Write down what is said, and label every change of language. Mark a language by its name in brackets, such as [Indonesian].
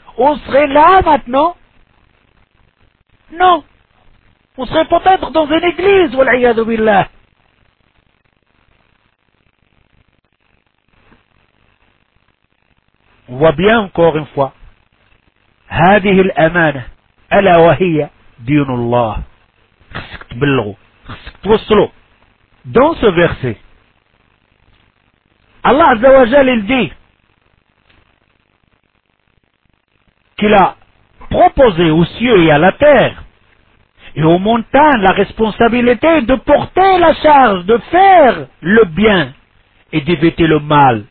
[French] On serait là maintenant? Non. On serait peut-être dans une église, wal'iyadu billah. On voit bien encore une fois. [Arabic] هذه الأمانة ألا وهي دين الله. خصك تبلغو. خصك توصلو. [French] Dans ce verset, Allah Azza wa Jal, il dit qu'il a proposé aux cieux et à la terre et aux montagnes la responsabilité de porter la charge, de faire le bien et d'éviter le mal.